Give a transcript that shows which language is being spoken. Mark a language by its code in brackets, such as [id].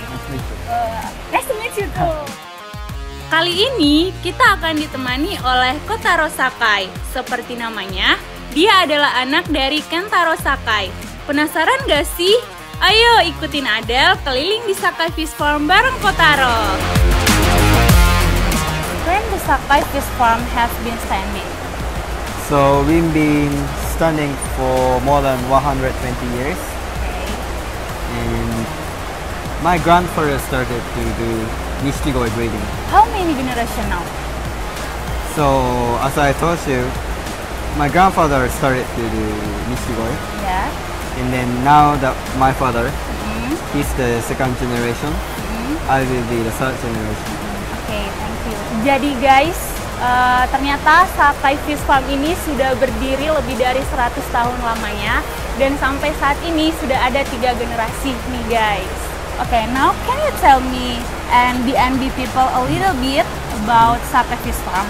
[en] Nice to meet you. Nice to meet you too. [id] Kali ini kita akan ditemani oleh Kentaro Sakai. Seperti namanya, dia adalah anak dari Kentaro Sakai. Penasaran gak sih? Ayo ikutin Adel keliling di Sakai Fish Farm bareng Kentaro. [en] When the Sakai Fish Farm has been standing? So we've been standing for more than 120 years. And my grandfather started to do Nishikoi breeding. How many generations now? So, as I told you, my grandfather started to do Nishikoi. Yeah. And then now that my father, he's the second generation, I will be the third generation. Okay, thank you. [id] Jadi guys, ternyata Sakai Fish Farm ini sudah berdiri lebih dari 100 tahun lamanya. Dan sampai saat ini sudah ada 3 generasi nih guys. [en] Okay, now can you tell me and the BNB people a little bit about Sakai Fish Farm?